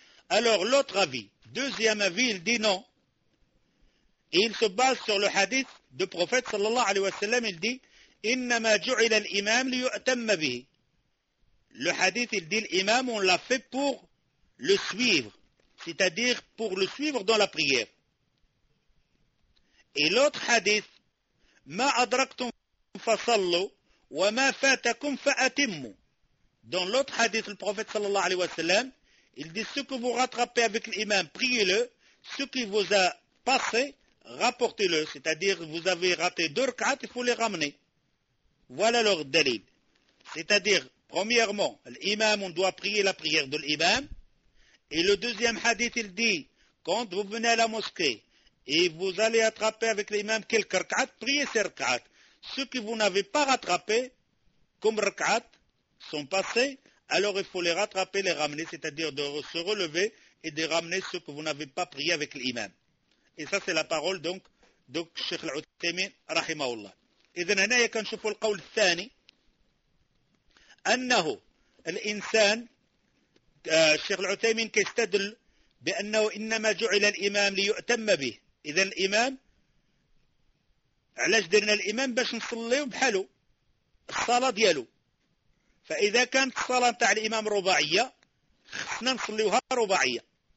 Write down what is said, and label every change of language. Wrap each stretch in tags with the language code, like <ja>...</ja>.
<fr>Alors l'autre avis, deuxième avis, il dit non. Et il se base sur le hadith du prophète sallallahu alayhi wa sallam, il dit</fr> <ar>إنما جعل الإمام ليؤتم به.</ar> <fr>Le hadith il dit l'imam on l'a fait pour le suivre, c'est-à-dire pour le suivre dans la prière. Et l'autre hadith</fr> <ar>ما أدركتم فصلوا وما فاتكم فأتموا.</ar> <fr>Dans l'autre hadith le prophète sallallahu alayhi wa sallam il dit ce que vous rattrapez avec l'imam priez-le, ce qui vous a passé rapportez-le, c'est-à-dire vous avez raté deux rak'at il faut les ramener. Voilà leur dalil. C'est-à-dire, premièrement, l'imam, on doit prier la prière de l'imam. Et le deuxième hadith, il dit, quand vous venez à la mosquée et vous allez attraper avec l'imam quelques rak'at, priez ces rak'at. Ce que vous n'avez pas rattrapé, comme rak'at, sont passés, alors il faut les rattraper, les ramener, c'est-à-dire de se relever et de ramener ce que vous n'avez pas prié avec l'imam. Et ça, c'est la parole, donc, de Cheikh Al-Uthaymin, rahimahullah.</fr> <ar>إذن هنا كنشوف القول الثاني أنه الإنسان الشيخ العثيمين كيستدل بأنه إنما جعل الإمام ليؤتم به. إذن الإمام علاش درنا الإمام باش نصليه بحلو الصلاة ديالو، فإذا كانت الصلاة تاع الإمام رباعية خصنا نصليها رباعية.</ar>